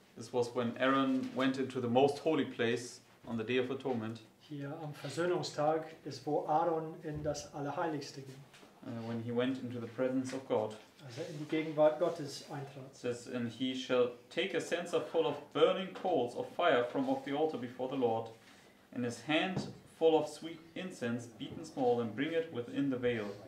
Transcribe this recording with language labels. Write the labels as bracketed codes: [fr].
[en] This was when Aaron went into the most holy place on the Day of Atonement. [de] Hier am Versöhnungstag ist wo Aaron in das Allerheiligste ging. [en] When he went into the presence of God. [de] Also in die Gegenwart Gottes eintrat. [en] Says, and he shall take a censer full of burning coals of fire from off the altar before the Lord, and his hand full of sweet incense, beaten small, and bring it within the veil.